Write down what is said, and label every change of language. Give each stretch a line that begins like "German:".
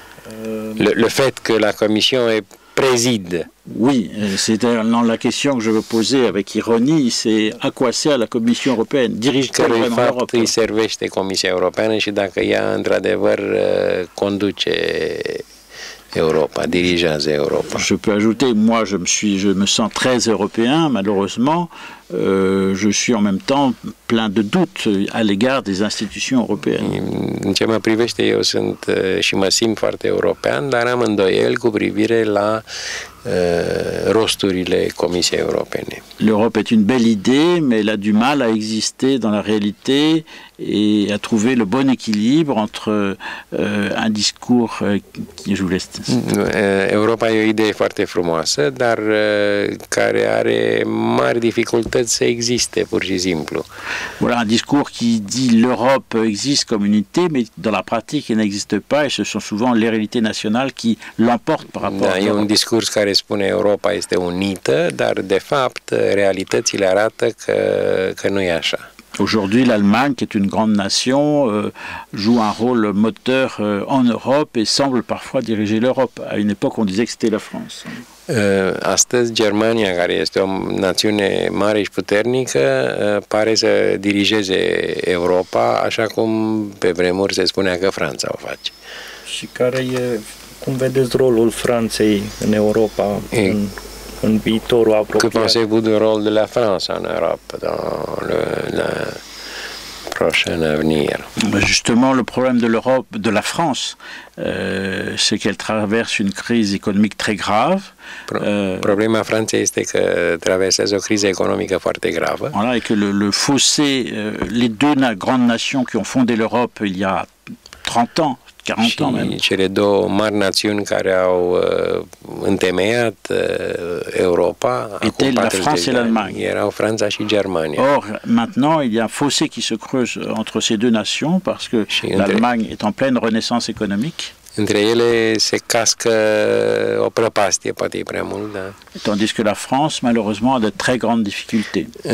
French: Le fait que la Commission préside. Oui, c'est dans la question que je veux poser avec ironie, c'est à quoi sert la Commission européenne? Dirige-t-elle vraiment l'Europe?
Romanian: Îi servește Comisia Europeană și dacă ea într-adevăr conduce Europa, dirigează Europa.
French: Je peux ajouter, moi je me sens très européen, malheureusement, je suis en même temps plein de doutes à l'égard des institutions européennes.
Romanian: În ce mă privește, eu sunt și mă simt foarte european, dar am îndoiel cu privire la rosturile Comisiei Europene.
French: L'Europe est une belle idée, mais elle a du mal à exister dans la réalité et à trouver le bon équilibre entre un discours qui je vous laisse.
Romanian: Europa e o idee foarte frumoasă, dar care are mari dificultăți să existe, pur și simplu.
French: Voilà un discours qui dit l'Europe existe comme unité, mais dans la pratique elle n'existe pas et ce sont souvent les réalités nationales qui l'emportent par rapport.
Romanian: Da, e un discurs care spune Europa este unită, dar de fapt realitățile arată că nu e așa.
French: Aujourd'hui, l'Allemagne, qui est une grande nation, joue un rôle moteur en Europe et semble parfois diriger l'Europe. À une époque, on disait que c'était la France.
Romanian: Astăzi, Germania, care este o națiune mare și puternică, pare să dirigeze Europa, așa cum pe vremuri se spunea că Franța o face. Și care e, cum vedeți rolul Franței în Europa? În viitorul apropiat.
French: Que pensez-vous du rôle de la France en Europe dans le prochain avenir? Justement, le problème de l'Europe, de la France, c'est qu'elle traverse une crise économique très grave.
Romanian: Problema Franței este că traversează o criză economică foarte gravă.
French: Voilà, et que le fossé, les deux grandes nations qui ont fondé l'Europe il y a 30 ans, 40 ans même.
Romanian: Cele două mari națiuni care au întemeiat Europa acum 40 de ani. Erau Franța și Germania.
French: Or, maintenant, il y a un fossé qui se creuse entre ces deux nations parce que l'Allemagne est en pleine renaissance économique.
Romanian: Între ele se cască o prăpastie, poate e prea mult, da.
French: Tandis que la France, malheureusement, a de très grandes difficultés.